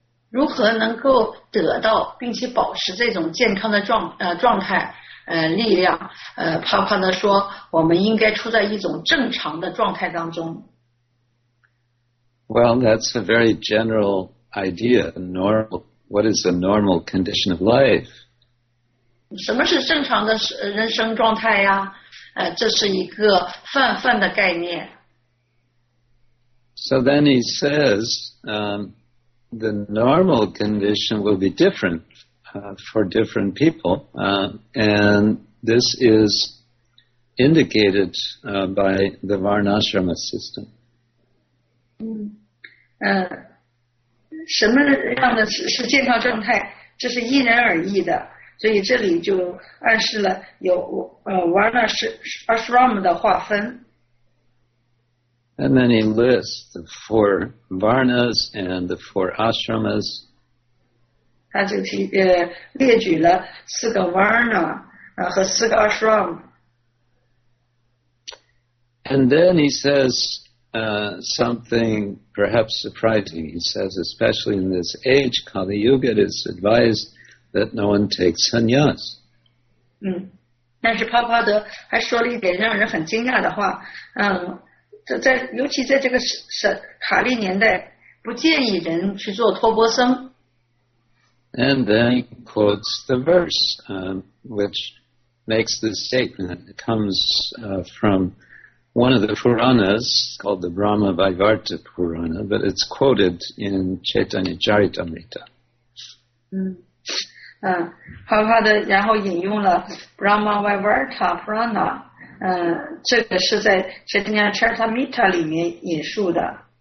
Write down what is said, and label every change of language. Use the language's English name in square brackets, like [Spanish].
[Chinese] 如何能够得到并且保持这种健康的状态力量帕帕呢说我们应该处在一种正常的状态当中。 [English] Well, that's a very general idea. Normal. What is a normal condition of life? [Chinese] 什么是正常的人生状态呀？这是一个泛的概念。 [English] So then he says, the normal condition will be different, for different people, and this is indicated, by the Varnashrama system. [Chinese] 什么样的是健康状态？这是因人而异的。所以这里就暗示了有Varnashrama 的划分。 [English] And then he lists the four Varnas and the four Ashramas. [Chinese] 他就列举了四个 Varna 和四个 Ashram. [English] And then he says something perhaps surprising. He says, especially in this age, Kali Yuga, it is advised. That no one takes sannyas. [Chinese] 但是帕帕德还说了一点让人很惊讶的话，在尤其在这个卡利年代，不建议人去做托钵僧。 [English] And then he quotes the verse, which makes this statement. It comes from one of the Puranas called the Brahma Vaivarta Purana, but it's quoted in Chaitanya Charitamrita. [Chinese] 帕帕德然后引用了 Brahma Vaivarta Purana, 这个是在 Chaitanya Charitamrita 里面引述的。